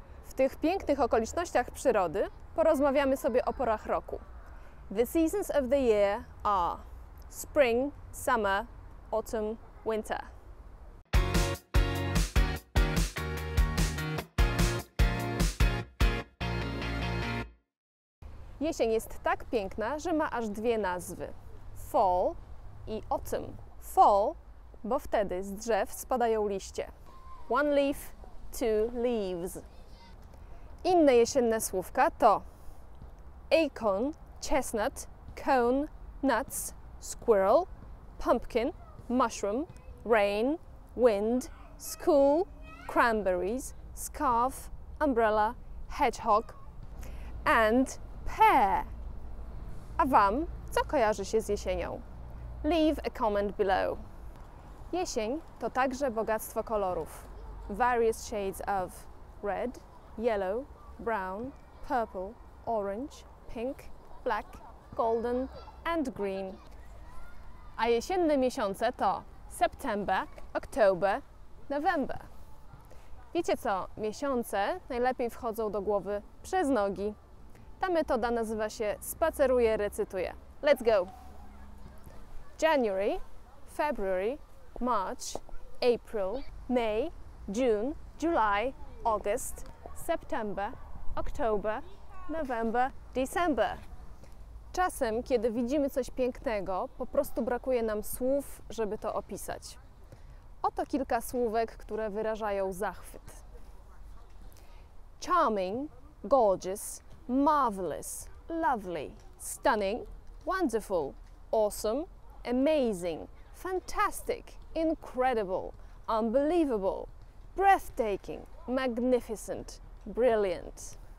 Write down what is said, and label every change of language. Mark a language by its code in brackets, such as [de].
[pl] W tych pięknych okolicznościach przyrody porozmawiamy sobie o porach roku. [en] The seasons of the year are spring, summer, autumn, winter. [pl] Jesień jest tak piękna, że ma aż dwie nazwy. Fall i autumn. Fall, bo wtedy z drzew spadają liście. [en] One leaf, two leaves. [pl] Inne jesienne słówka to [en] acorn, chestnut, cone, nuts, squirrel, pumpkin, mushroom, rain, wind, school, cranberries, scarf, umbrella, hedgehog and pear. [pl] A Wam co kojarzy się z jesienią? [en] Leave a comment below. [pl] Jesień to także bogactwo kolorów. [en] Various shades of red, yellow, brown, purple, orange, pink, black, golden and green. [pl] A jesienne miesiące to September, October, November. Wiecie co? Miesiące najlepiej wchodzą do głowy przez nogi. Ta metoda nazywa się spaceruje, recytuje. [en] Let's go! January, February, March, April, May, June, July, August, September, October, November, December. [pl] Czasem, kiedy widzimy coś pięknego, po prostu brakuje nam słów, żeby to opisać. Oto kilka słówek, które wyrażają zachwyt. [en] Charming, gorgeous, marvelous, lovely, stunning, wonderful, awesome, amazing, fantastic, incredible, unbelievable, breathtaking, magnificent, brilliant.